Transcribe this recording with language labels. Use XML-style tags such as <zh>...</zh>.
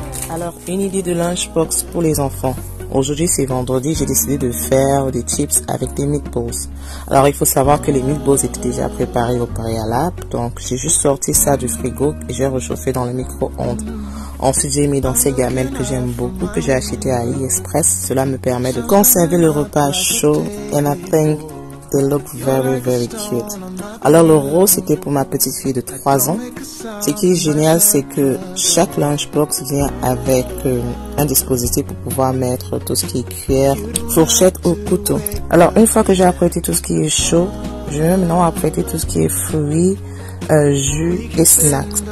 <fr>Alors, une idée de lunchbox pour les enfants. Aujourd'hui, c'est vendredi, j'ai décidé de faire des chips avec des meatballs. Alors, il faut savoir que les meatballs étaient déjà préparés au préalable. Donc, j'ai juste sorti ça du frigo et j'ai réchauffé dans le micro-ondes. Ensuite, j'ai mis dans ces gamelles que j'aime beaucoup, que j'ai achetées à AliExpress. Cela me permet de conserver le repas chaud.</fr> <en>And I think they look very, very cute.</en> <fr>Alors, le rose, c'était pour ma petite fille de 3 ans. Ce qui est génial, c'est que chaque lunchbox vient avec un dispositif pour pouvoir mettre tout ce qui est cuillère, fourchette ou couteau. Alors, une fois que j'ai apprêté tout ce qui est chaud, je vais maintenant apprêter tout ce qui est fruits, jus et snacks.</fr>